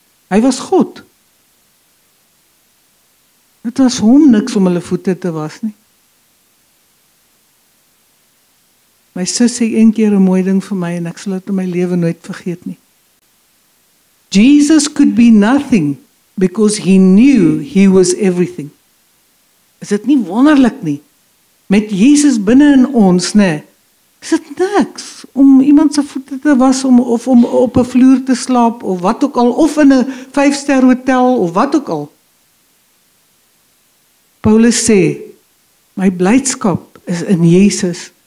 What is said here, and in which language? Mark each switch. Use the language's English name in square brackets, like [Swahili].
[Afrikaans] Hy was God. Dit was hom niks om hulle voete te was nie. My sussie sê een keer 'n mooi ding vir my en ek sal dit in my lewe nooit vergeet nie. [English] Jesus could be nothing because he knew he was everything. [Afrikaans] Is dit nie wonderlik nie? Met Jesus binne in ons, né? Is dit niks om iemand se voete te was om of om op 'n vloer te slaap of wat ook al of in 'n 5-ster hotel of wat ook al. Paulus sê, my blydskap is in Jesus.